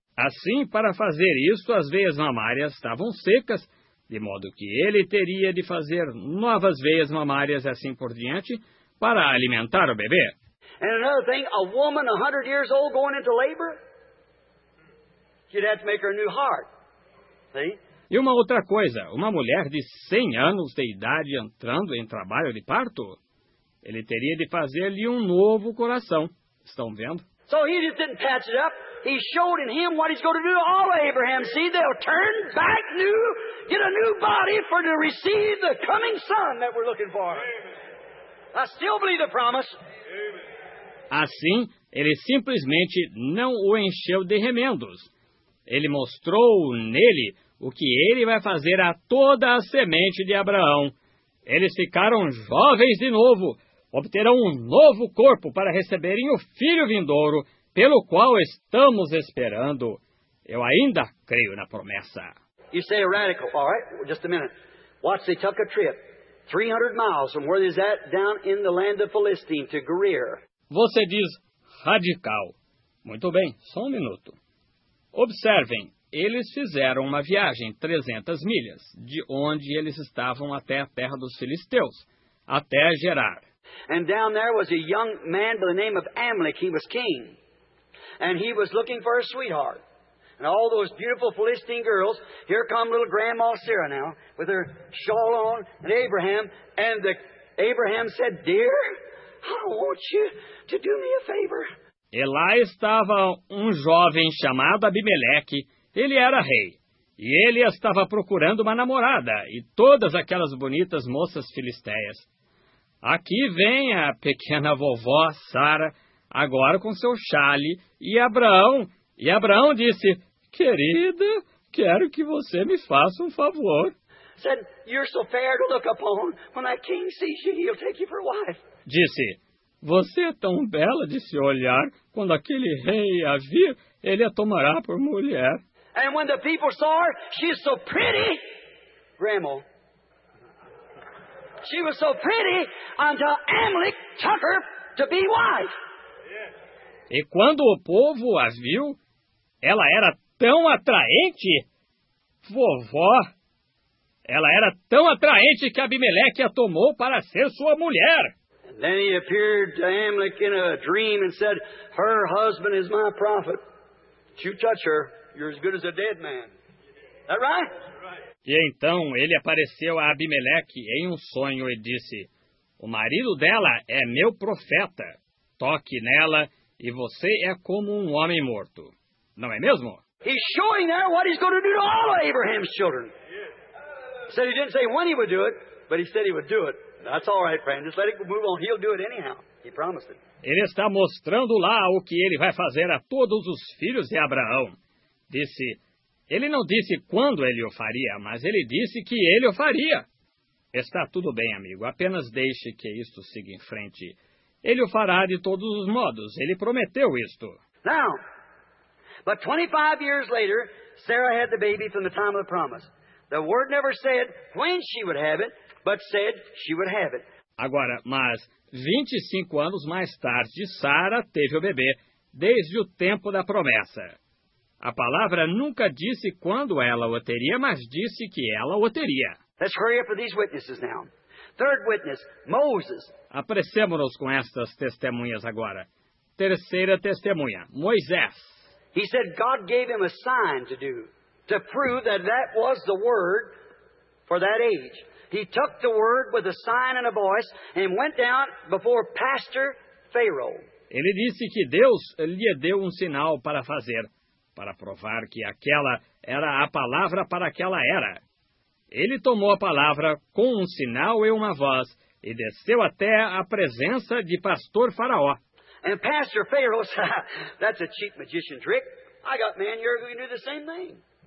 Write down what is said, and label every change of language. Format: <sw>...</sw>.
<pt>Assim, para fazer isso, as veias mamárias estavam secas, de modo que ele teria de fazer novas veias mamárias e assim por diante para alimentar o bebê.</pt> <en>And another thing, a woman 100 years old going into labor, you'd have to make her a new heart. See?</en> <pt>E uma outra coisa, uma mulher de 100 anos de idade entrando em trabalho de parto, ele teria de fazer-lhe um novo coração. Estão vendo?</pt> <en>So he just didn't patch it up. He showed in him what he's going to do to all of Abraham. See, they'll turn back new, get a new body for to receive the coming son that we're looking for. Amen. I still believe the promise. Amen.</en> <pt>Assim, ele simplesmente não o encheu de remendos. Ele mostrou nele o que ele vai fazer a toda a semente de Abraão. Eles ficaram jovens de novo, obterão um novo corpo para receberem o filho vindouro, pelo qual estamos esperando. Eu ainda creio na promessa.</pt> <en>You say radical, all right? Just a minute. Watch, they took a trip 300 miles from where they're at down in the land of Philistine to Gerar.</en> <pt>Você diz radical. Muito bem, só um minuto. Observem. Eles fizeram uma viagem 300 milhas, de onde eles estavam até a terra dos filisteus, até Gerar.</pt> <en>And down there was a young man by the name of Amalek. He was king. And he was looking for a sweetheart. And all those beautiful Philistine girls, here come little grandma Sarah now, with her shawl on, and Abraham. And the, Abraham said, dear, I want you to do me a favor.</en> <pt>E lá estava um jovem chamado Abimeleque. Ele era rei, e ele estava procurando uma namorada, e todas aquelas bonitas moças filisteias. Aqui vem a pequena vovó Sara, agora com seu xale, e Abraão. E Abraão disse, querida, quero que você me faça um favor.</pt> <en>Said, you're so fair to look upon. When that king sees you, he'll take you for wife.</en> <pt>Disse, você é tão bela de se olhar, quando aquele rei a vir, ele a tomará por mulher.</pt> <en>And when the people saw her, she's so pretty, Grandma. She was so pretty until Amalek took her to be wife.</en> <pt>E quando o povo a viu, ela era tão atraente, vovó. Ela era tão atraente que Abimeleque a tomou para ser sua mulher.</pt> <en>And then he appeared to Amalek in a dream and said, her husband is my prophet. You touch her. You're as good as a dead man. Is that right?</en> <pt>E então ele apareceu a Abimeleque em um sonho e disse, o marido dela é meu profeta. Toque nela e você é como um homem morto. Não é mesmo?</pt> <en>He's showing there what he's going to do to all of Abraham's children. Said he didn't say when he would do it, but he said he would do it. That's all right, friend. Just let it move on. He'll do it anyhow. He promised it.</en> <pt>Ele está mostrando lá o que ele vai fazer a todos os filhos de Abraão. Disse, ele não disse quando ele o faria, mas ele disse que ele o faria. Está tudo bem, amigo. Apenas deixe que isto siga em frente. Ele o fará de todos os modos. Ele prometeu isto.</pt> <en>Now, but 25 years later, Sarah had the baby from the time of the promise. The word never said when she would have it, but said she would have it.</en> <pt>Agora, mas 25 anos mais tarde, Sarah teve o bebê desde o tempo da promessa. A palavra nunca disse quando ela o teria, mas disse que ela o teria.</pt> <en>Let's hurry up with these witnesses now. Third witness, Moses.</en> <pt>Apressemos-nos com estas testemunhas agora. Terceira testemunha, Moisés.</pt> <en>He said God gave him a sign to do, to prove that that was the word for that age. He took the word with a sign and a voice and went down before Pastor Pharaoh.</en> <pt>Ele disse que Deus lhe deu um sinal para fazer, para provar que aquela era a palavra para aquela era. Ele tomou a palavra com um sinal e uma voz e desceu até a presença de Pastor Faraó.</pt> <en>And Pastor Pharaoh said, that's a cheap magician trick. I got men here who can do the same thing.</en>